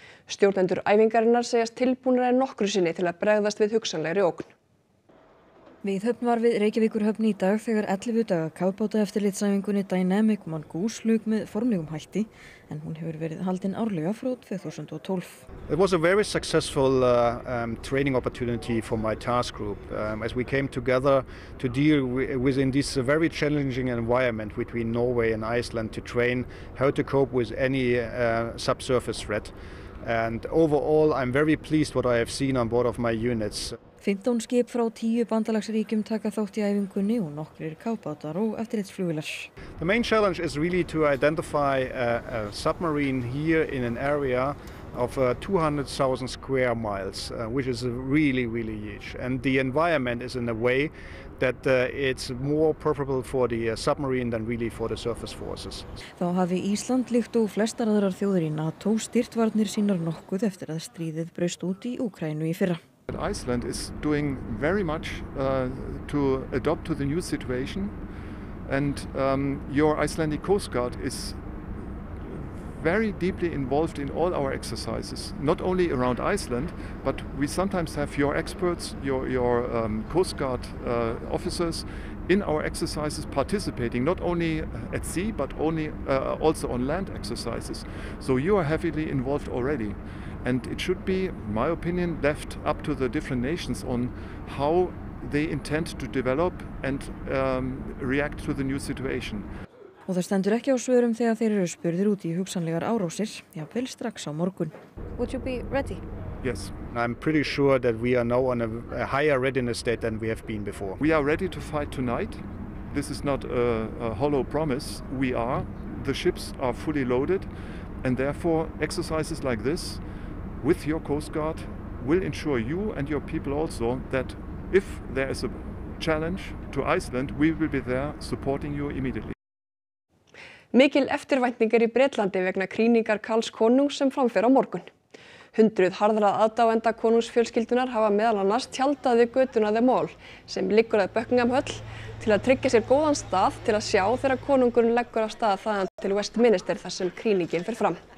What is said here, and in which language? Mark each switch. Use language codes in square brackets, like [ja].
[is] Stjórnendur æfingarinnar segjast tilbúnar en nokkru sinni til að bregðast við hugsanlegri ógn. Viðhöfn var við Reykjavíkurhöfn í dag þegar 11 daga kafbáta eftirlitsæfingunni Dynamic Man Goose lauk með formlegum hætti en hún hefur verið haldin árlega frá 2012. [en] It was a very successful training opportunity for my task group. As we came together to deal with in this very challenging environment between Norway and Iceland to train how to cope with any subsurface threat. And overall I'm very pleased what I have seen on board of my units. [is] 15 skip frá 10 bandalagsríkjum taka þátt í æfingunni og nokkrir kafbátar og eftirlitsflugvélar. [en] The main challenge is really to identify a submarine here in an area of 200,000 square miles, which is really, really huge. And the environment is in a way that it's more preferable for the submarine than really for the surface forces. [is] Þá hafi Ísland líkt og flestar aðrar þjóðir í NATO styrkt varnir sínar nokkuð eftir að stríðið braust út í Úkraínu í fyrra. [en] Iceland is doing very much to adapt to the new situation and your Icelandic Coast Guard is very deeply involved in all our exercises, not only around Iceland, but we sometimes have your experts, your Coast Guard officers in our exercises participating, not only at sea, but also on land exercises. So you are heavily involved already. And it should be, my opinion, left up to the different nations on how they intend to develop and react to the new situation. [is] Og það stendur ekki á svörum þegar þeir eru spurðir út í hugsanlegar árásir, jafnvel strax á morgun. [en] Would you be ready? Yes, I'm pretty sure that we are now on a higher readiness state than we have been before. We are ready to fight tonight. This is not a hollow promise. We are. The ships are fully loaded and therefore exercises like this with your Coast Guard will ensure you and your people also that if there is a challenge to Iceland, we will be there supporting you immediately. [is] Mikil eftirvæntning er í Bretlandi vegna krýningar Karls konungs sem framfer á morgun. Hundruð harðra aðdáenda konungsfjölskyldunar hafa meðal annars tjaldað við götuna The Mall sem liggur að Buckingham höll til að tryggja sér góðan stað til að sjá þegar konungurinn leggur af stað þaðan til Westminster þar sem krýningin fer fram.